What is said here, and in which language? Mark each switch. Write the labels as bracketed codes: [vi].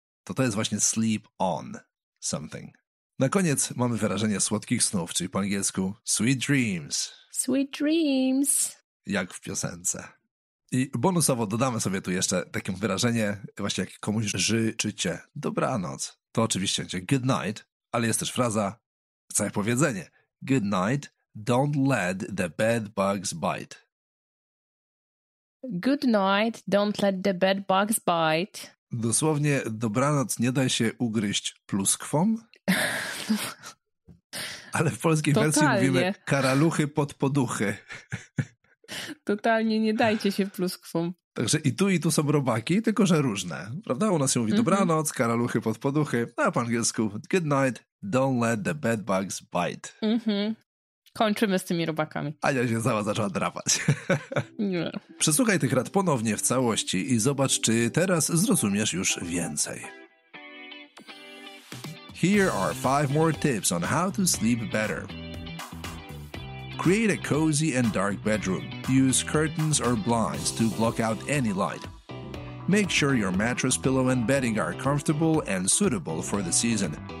[pl] To jest właśnie [en] sleep on something. [pl] Na koniec mamy wyrażenie słodkich snów, czyli po angielsku [en] sweet dreams. Sweet dreams. [pl] Jak w piosence. I bonusowo dodamy sobie tu jeszcze takie wyrażenie, właśnie jak komuś życzycie dobranoc. To oczywiście będzie [en] good night, [pl] ale jest też fraza, całe powiedzenie. [en] Good night, don't let the bed bugs bite. Good night, don't let the bed bugs bite. [pl] Dosłownie, dobranoc, nie daj się ugryźć pluskwom. Ale w polskiej wersji mówimy karaluchy pod poduchy. Totalnie, nie dajcie się pluskwom. Także i tu są robaki, tylko że różne. Prawda? U nas się mówi dobranoc, karaluchy pod poduchy, a po angielsku [en] good night, don't let the bed bugs bite. Mm-hmm. [pl] Kończymy z tymi robakami. Ania się cała zaczęła drapać. Nie. Przesłuchaj tych rad ponownie w całości i zobacz, czy teraz zrozumiesz już więcej. [en] Here are 5 more tips on how to sleep better. Create a cozy and dark bedroom. Use curtains or blinds to block out any light. Make sure your mattress, pillow and bedding are comfortable and suitable for the season.